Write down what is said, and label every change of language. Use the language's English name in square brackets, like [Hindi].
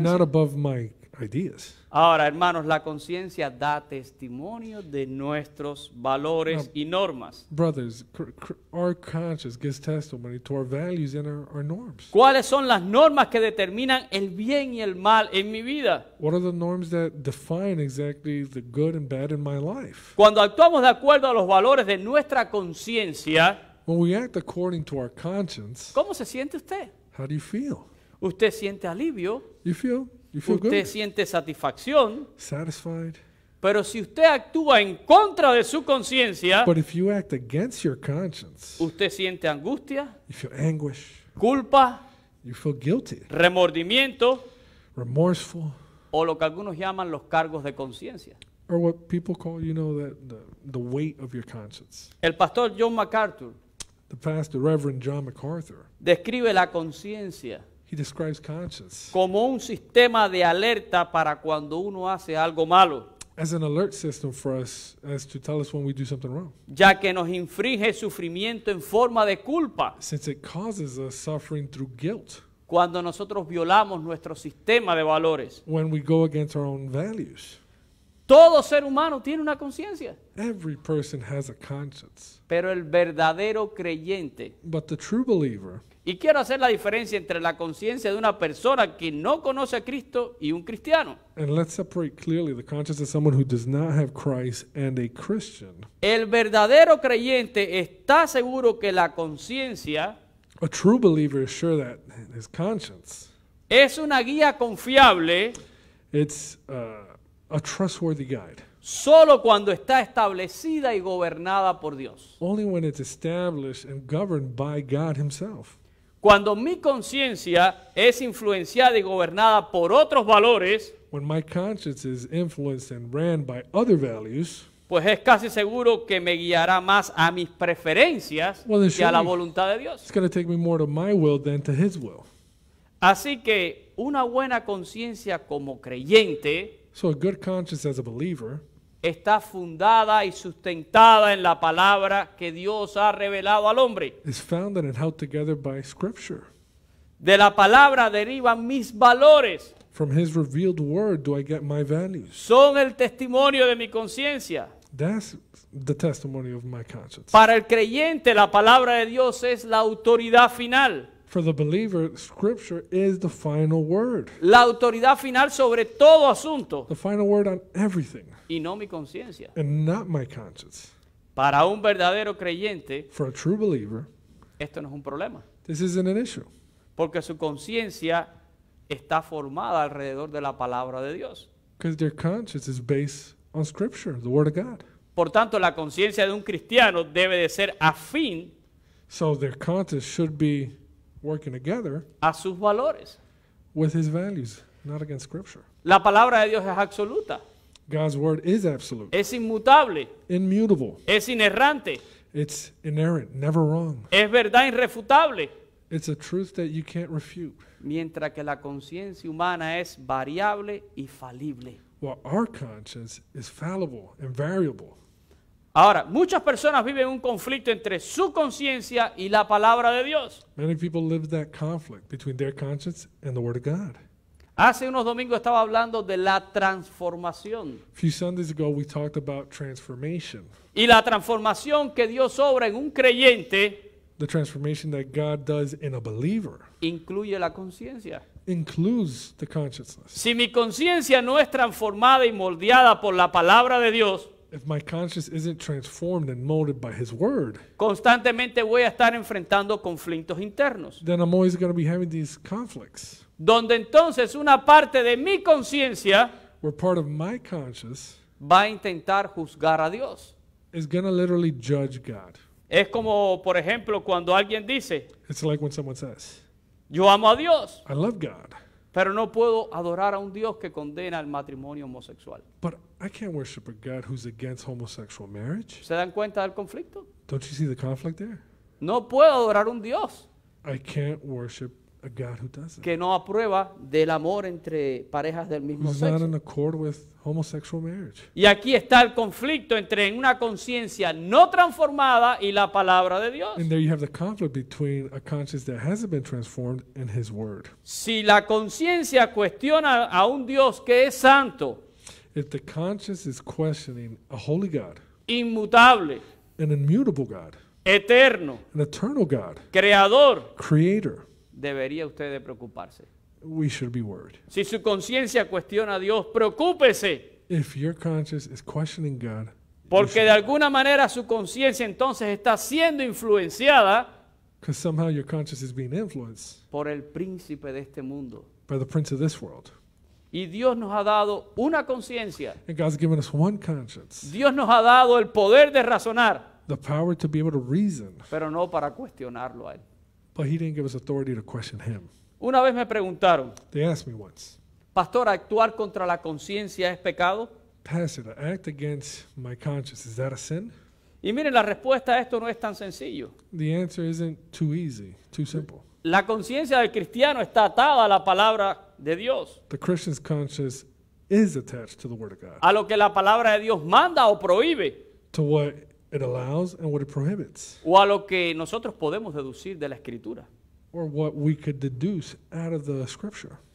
[English] Not above my ideas. [Spanish] Ahora, hermanos, la conciencia da testimonio de nuestros valores [English] Now, [Spanish] y normas. [English] Brothers, our conscience gives testimony to our values and our norms. [Spanish] ¿Cuáles son las normas que determinan el bien y el mal en mi vida? [English] What are the norms that define exactly the good and bad in my life? [Spanish] Cuando actuamos de acuerdo a los valores de nuestra conciencia, [English] when we act according to our conscience, [Spanish] ¿cómo se siente usted? [English] How do you feel? [Spanish] ¿Usted siente alivio? [English] You feel [Spanish] usted [English] good. [Spanish] Siente satisfacción. [English] Satisfied. [Spanish] Pero si usted actúa en contra de su conciencia, [English] but if you act against your conscience, [Spanish] usted siente angustia, [English] you feel anguish, [Spanish] culpa, [English] you feel guilty, [Spanish] remordimiento, [English] remorseful, [Spanish] o lo que algunos llaman los cargos de conciencia. [English] Or what people call, you know, the weight of your conscience. [Spanish] El pastor John MacArthur, [English] the pastor Reverend John MacArthur, [Spanish] describe la conciencia. [English] He describes conscience [Spanish] como un sistema de alerta para cuando uno hace algo malo. [English] As an alert system for us, as to tell us when we do something wrong. [Spanish] Ya que nos infringe sufrimiento en forma de culpa. [English] Since it causes us suffering through guilt. [Spanish] Cuando nosotros violamos nuestro sistema de valores. [English] When we go against our own values. [Spanish] Todo ser humano tiene una conciencia. [English] Every person has a conscience. [Spanish] Pero el verdadero creyente. [English] But the true believer. [Spanish] Y quiero hacer la diferencia entre la conciencia de una persona que no conoce a Cristo y un cristiano. [English] And let's separate clearly the conscience of someone who does not have Christ and a Christian. [Spanish] El verdadero creyente está seguro que la conciencia. [English] A true believer is sure that his conscience. [Spanish] Es una guía confiable. [English] It's a trustworthy guide. [Spanish] Solo cuando está establecida y gobernada por Dios. [English] Only when it's established and governed by God himself. [Spanish] Cuando mi conciencia es influenciada y gobernada por otros valores, [English] when my conscience is influenced and ran by other values, [Spanish] pues es casi seguro que me guiará más a mis preferencias [English] well, [Spanish] que a la voluntad de Dios. [English] It's going to take me more to my will than to his will. [Spanish] Así que una buena conciencia como creyente, [English] so a good conscience as a believer, [Spanish] está fundada y sustentada en la palabra que Dios ha revelado al hombre. [English] Is founded and held together by scripture. [Spanish] De la palabra derivan mis valores. [English] From his revealed word do I get my values. [Spanish] Son el testimonio de mi conciencia. [English] That's the testimony of my conscience. [Spanish] Para el creyente, la palabra de Dios es la autoridad final. [English] For the believer, scripture is the final word. [Spanish] La autoridad final sobre todo asunto. [English] The final word on everything. [Spanish] Y no mi conciencia. [English] And not my conscience. [Spanish] Para un verdadero creyente, [English] for a true believer, [Spanish] esto no es un problema. [English] This isn't an issue. [Spanish] Porque su conciencia está formada alrededor de la palabra de Dios. [English] Because their conscience is based on scripture, the word of God. [Spanish] Por tanto, la conciencia de un cristiano debe de ser afín. [English] So their conscience should be working together [Spanish] a sus valores. [English] With his values, not against scripture. [Spanish] La palabra de Dios es absoluta. [English] God's word is absolute. [Spanish] Es inmutable. [English] Immutable. [Spanish] Es inerrante. [English] It's inerrant, never wrong. [Spanish] Es verdad irrefutable. [English] It's a truth that you can't refute. [Spanish] Mientras que la conciencia humana es variable y falible. [English] Well, our conscience is fallible and variable. [Spanish] Ahora, muchas personas viven un conflicto entre su conciencia y la palabra de Dios. [English] Many people live that conflict between their conscience and the word of God. [Spanish] Hace unos domingos estaba hablando de la transformación. [English] A few Sundays ago we talked about transformation. [Spanish] Y la transformación que Dios obra en un creyente. [English] The transformation that God does in a believer. [Spanish] Incluye la conciencia. [English] Includes the consciousness. [Spanish] Si mi conciencia no es transformada y moldeada por la palabra de Dios. [English] If my conscience isn't transformed and molded by his word. [Spanish] Constantemente voy a estar enfrentando conflictos internos. [English] Then I'm always going to be having these conflicts. [Spanish] Donde entonces una parte de mi conciencia [English] part of my conscience [Spanish] va a intentar juzgar a Dios. [English] Is gonna literally judge God. [Spanish] Es como, por ejemplo, cuando alguien dice, [English] it's like when someone says, [Spanish] yo amo a Dios, [English] I love God, [Spanish] pero no puedo adorar a un Dios que condena el matrimonio homosexual. [English] But I can't worship a God who's against homosexual marriage. [Spanish] ¿Se dan cuenta del conflicto? [English] Don't you see the conflict there? [Spanish] No puedo adorar a un Dios. [English] I can't worship a God who doesn't. [Spanish] Que no aprueba del amor entre parejas del mismo sexo. [English] Who's not in accord with homosexual marriage. [Spanish] Y aquí está el conflicto entre una conciencia no transformada y la palabra de Dios. [English] And there you have the conflict between a conscience that hasn't been transformed and His Word. [Spanish] Si la conciencia cuestiona a un Dios que es santo, [English] if the conscience is questioning a holy God, [Spanish] inmutable, [English] an immutable God, [Spanish] eterno, [English] an eternal God, [Spanish] creador, [English] creator, [Spanish] debería usted de preocuparse. [English] We should be worried. [Spanish] Si su conciencia cuestiona a Dios, preocúpese. [English] If your conscience is questioning God, [Spanish] porque de alguna manera su conciencia entonces está siendo influenciada, [English] because somehow your conscience is being influenced, [Spanish] por el príncipe de este mundo, [English] by the prince of this world. [Spanish] Y Dios nos ha dado una conciencia. [English] And God's given us one conscience. [Spanish] Dios nos ha dado el poder de razonar. [English] The power to be able to reason. [Spanish] Pero no para cuestionarlo a él. [English] But he didn't give us authority to question him. [Spanish] Una vez me preguntaron, [English] they asked me once, [Spanish] pastor, ¿actuar contra la conciencia es pecado? [English] Pastor, to act against my conscience, is that a sin? [Spanish] Y miren, la respuesta a esto no es tan sencillo. [English] The answer isn't too easy, too simple. [Spanish] La conciencia del cristiano está atada a la palabra de Dios. [English] The Christian's conscience is attached to the Word of God. [Spanish] A lo que la palabra de Dios manda o prohíbe. [English] To what it allows and what it prohibits. [Spanish] O a lo que nosotros podemos deducir de la Escritura. [English] Or what we could deduce out of the Scripture.